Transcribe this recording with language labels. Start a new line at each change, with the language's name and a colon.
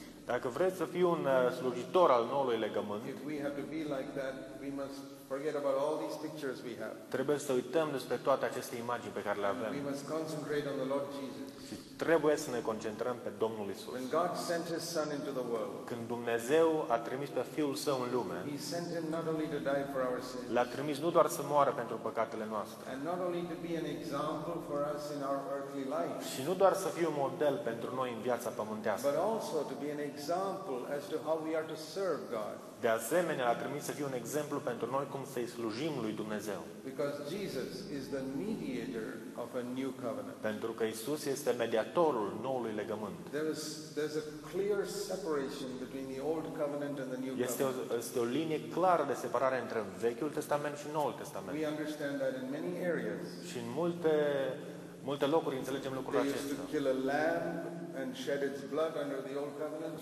Romanian: Dacă vreți să fii un slujitor al noului legământ.
English: If we have to be like that, we must forget about all these pictures we have.
Romanian: Trebuie să uităm despre toate aceste imagini pe care le avem.
English: We must concentrate on the Lord Jesus.
Romanian: Și trebuie să ne concentrăm pe Domnul Isus.
English: When God sent his son into the world.
Romanian: Când Dumnezeu a trimis pe Fiul Său în lume.
English: He sent him not only to die for our sins.
Romanian: L-a trimis nu doar să moară pentru păcatele noastre.
English: And not only to be an example for us in our earthly life.
Romanian: Și nu doar să fie un model pentru noi în viața pământească.
English: But also to be an example as to how we are to serve God.
Romanian: De asemenea, a trimis să fie un exemplu pentru noi cum să-i slujim lui Dumnezeu.
English: Because Jesus is the mediator of a new covenant.
Romanian: Pentru că Isus este mediatorul noului legământ.
English: There's a clear separation between the old covenant and the new covenant.
Romanian: Este o linie clară de separare între Vechiul Testament și Noul Testament.
English: We understand that in many areas.
Romanian: Și în multe locuri înțelegem lucrul acesta.
English: They used to kill a lamb and shed its blood under the old covenant.